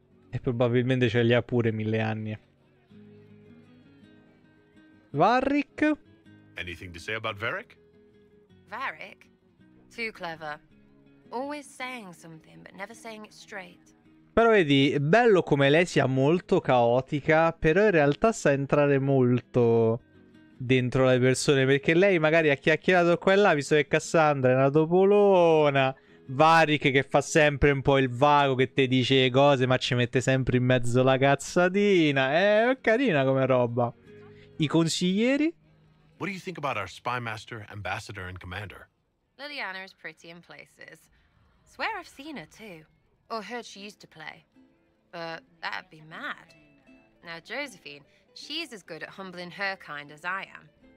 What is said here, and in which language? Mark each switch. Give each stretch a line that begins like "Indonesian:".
Italian: E probabilmente ce li ha pure 1,000 anni. Varric?
English: Anything to say about Varric? Varric? Too clever. Always saying something, but never saying it straight.
Italian: Però vedi, è bello come lei sia molto caotica, però in realtà sa entrare molto dentro le persone, perché lei magari ha chiacchierato qua e là, visto che Cassandra è una topolona, Varric che fa sempre un po' il vago, che te dice cose, ma ci mette sempre in mezzo la cazzatina, è carina come roba. I consiglieri?
English: What do you think about our spymaster, ambassador and commander? Liliana is pretty in places. Swear I've seen her too. Or heard she used to play. But that'd be mad. Now Josephine, she's as good at humbling her kind as I am.